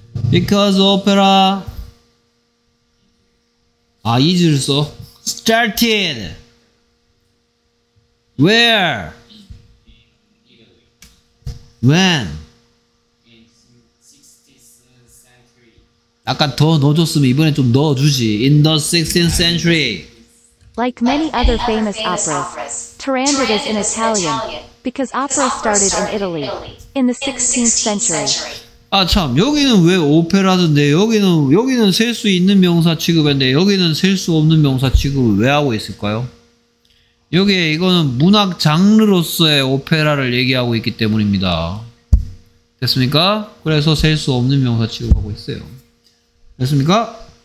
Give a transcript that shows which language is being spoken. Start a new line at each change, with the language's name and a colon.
English: Because opera, 아, is를 써. Started. Where? When?
Korean: 아까 더 넣어줬으면 이번에 좀 넣어주지.
English: In the 16th century. Like many other famous operas, Turandot is in Italian because opera started in Italy in the 16th century.
Korean: 아 참 여기는 왜 오페라던데 여기는 셀 수 있는 명사 취급인데 여기는 셀 수 없는 명사 취급을 왜 하고 있을까요? 여기에 이거는 문학 장르로서의 오페라를 얘기하고 있기 때문입니다. 됐습니까? 그래서 셀 수 없는 명사 취급하고 있어요. 됐습니까?